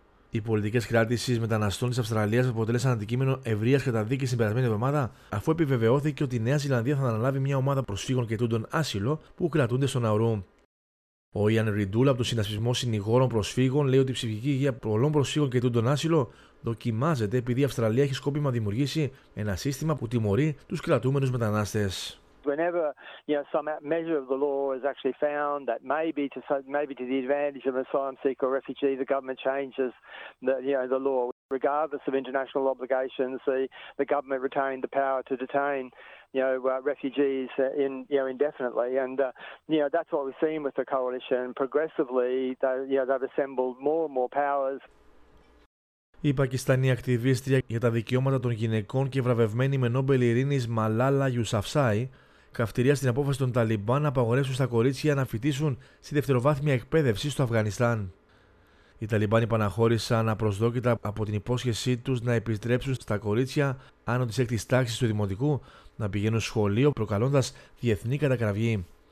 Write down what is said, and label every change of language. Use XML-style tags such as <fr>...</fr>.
<el>Οι πολιτικές κράτησης μεταναστών της Αυστραλίας αποτέλεσαν αντικείμενο ευρείας καταδίκης την περασμένη εβδομάδα, αφού επιβεβαιώθηκε ότι η Νέα Ζηλανδία θα αναλάβει μια ομάδα προσφύγων και τούντων άσυλο που κρατούνται στο Ναουρού. Ο Ιαν Ριντούλ από το Συνασπισμό Συνηγόρων Προσφύγων λέει ότι η ψυχική υγεία πολλών προσφύγων και τούντων άσυλο δοκιμάζεται επειδή η Αυστραλία έχει σκόπιμα δημιουργήσει ένα σύστημα που τιμωρεί τους κρατούμενους μετανάστες.</el> <en>Whenever you know some measure of the law is actually found that maybe to the advantage of an asylum seeker or refugee, the government changes the law. Regardless of international obligations, the government retained the power to detain refugees indefinitely, and that's what we've seen with the coalition. Progressively, they've assembled more and more powers.</en> <el>Η Πακιστανή ακτιβίστρια για τα δικαιώματα των γυναικών και βραβευμένη με Νόμπελ Ειρήνης Μαλάλα Γιουσαφσάι καυτηρία στην απόφαση των Ταλιμπάν να απαγορεύσουν στα κορίτσια να φοιτήσουν στη δευτεροβάθμια εκπαίδευση στο Αφγανιστάν. Οι Ταλιμπάν επαναχώρησαν απροσδόκητα από την υπόσχεσή τους να επιστρέψουν στα κορίτσια άνω της έκτης τάξης του δημοτικού να πηγαίνουν σχολείο προκαλώντας διεθνή κατακραυγή.</el>